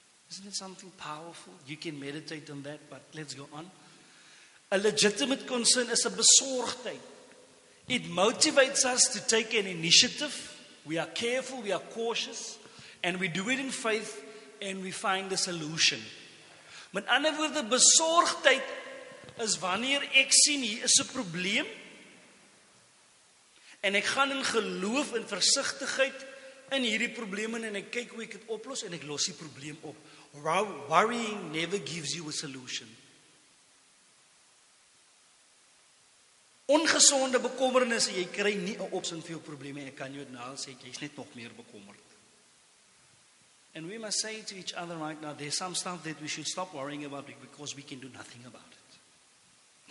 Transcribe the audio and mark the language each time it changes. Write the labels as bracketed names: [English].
[English] Isn't it something powerful? You can meditate on that, but let's go on. A legitimate concern is a besorgdheid. It motivates us to take an initiative. We are careful, we are cautious, and we do it in faith, and we find a solution. [Afrikaans] Met ander woorde, besorgdheid is wanneer ek sien hier is 'n probleem, en ek gaan in geloof en versigtigheid in hierdie probleme en ek kyk hoe ek dit oplos en ek los die probleem op. [English] Worrying never gives you a solution. [Afrikaans] Ongesonde bekommernisse, jy kry nie 'n oplossing vir jou probleme en ek kan jou nou sê jy's net nog meer bekommerd. [English] And we must say to each other right now, there's some stuff that we should stop worrying about because we can do nothing about it.